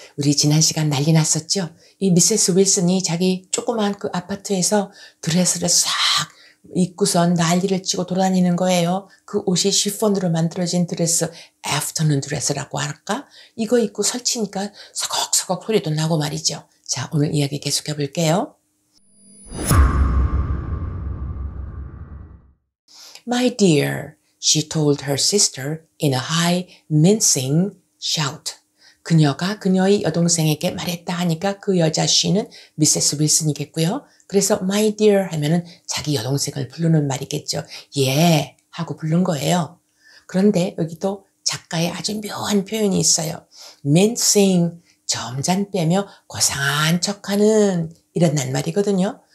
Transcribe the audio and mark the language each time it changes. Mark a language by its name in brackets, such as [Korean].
[Korean] 우리 지난 시간 난리 났었죠? 이 미세스 윌슨이 자기 조그만 그 아파트에서 드레스를 싹 입고선 난리를 치고 돌아다니는 거예요. 그 옷이 시폰으로 만들어진 드레스, 애프터눈 드레스라고 할까? 이거 입고 설치니까 서걱서걱 소리도 나고 말이죠. 자, 오늘 이야기 계속해 볼게요. [English] My dear, she told her sister in a high, mincing shout. [Korean] 그녀가 그녀의 여동생에게 말했다 하니까 그 여자 she는 Mrs. Wilson이겠고요. 그래서 my dear 하면은 자기 여동생을 부르는 말이겠죠. 예 하고 부른 거예요. 그런데 여기도 작가의 아주 묘한 표현이 있어요. mincing, 점잔 빼며 고상한 척하는 이런 낱말이거든요.